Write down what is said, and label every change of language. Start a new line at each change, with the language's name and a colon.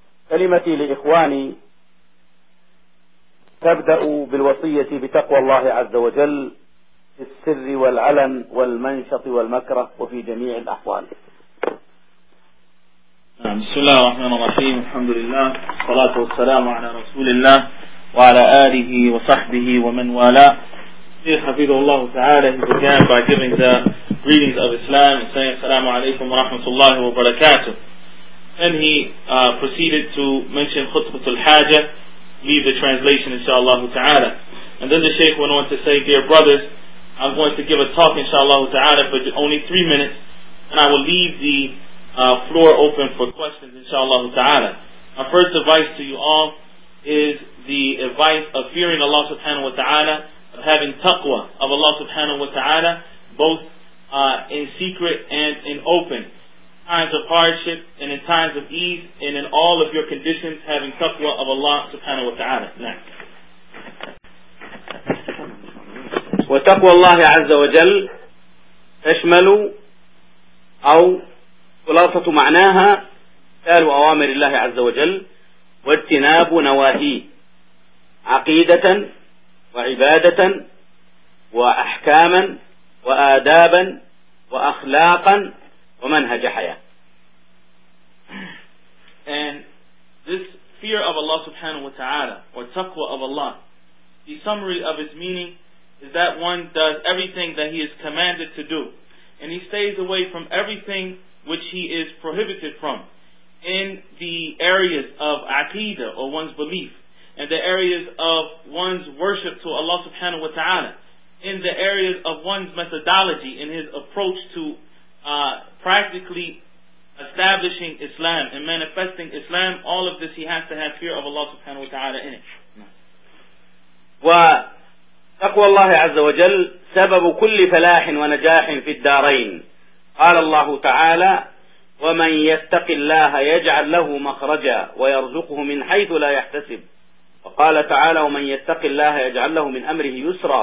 Arabic: كلمتي لإخواني تبدأ بالوصية بتقوى الله عز وجل في السر والعلن والمنشط والمكره وفي جميع الأحوال. بسم الله الرحمن الرحيم، الحمد لله، الصلاة والسلام على رسول الله وعلى آله وصحبه ومن والاه. شيخ حفظه الله تعالى،
English: he began by giving the greetings of Islam and saying
Arabic: السلام عليكم ورحمة الله وبركاته.
English: Then he proceeded to mention خطبة الحاجة. Leave the translation inshallah ta'ala. And then the Shaykh went on to say, dear brothers, I'm going to give a talk inshallah ta'ala for only 3 minutes, and I will leave the floor open for questions inshallah ta'ala. My first advice to you all is the advice of fearing Allah subhanahu wa ta'ala of having taqwa of Allah subhanahu wa ta'ala, both in secret and in open, in times of hardship and in times of ease, and in all of your conditions having taqwa of Allah subhanahu wa ta'ala. Next.
Arabic: وتقوى الله عز وجل تشمل أو خلاصة معناها إمتثال أوامر الله عز وجل واجتناب نواهيه عقيدة وعبادة وأحكاما وآدابا وأخلاقا ومنهج حياة.
English: And this fear of Allah subhanahu wa ta'ala or taqwa of Allah, the summary of its meaning is that one does everything that he is commanded to do, and he stays away from everything which he is prohibited from in the areas of aqidah, or one's belief, and the areas of one's worship to Allah subhanahu wa ta'ala, in the areas of one's methodology in his approach to practically establishing Islam and manifesting Islam. All of this, he has to have fear of Allah subhanahu wa ta'ala in it.
Arabic: Well, تقوى الله عز وجل سبب كل فلاح ونجاح في الدارين. قال الله تعالى ومن يتق الله يجعل له مخرجا ويرزقه من حيث لا يحتسب. وقال تعالى ومن يتق الله يجعل له من أمره يسرا.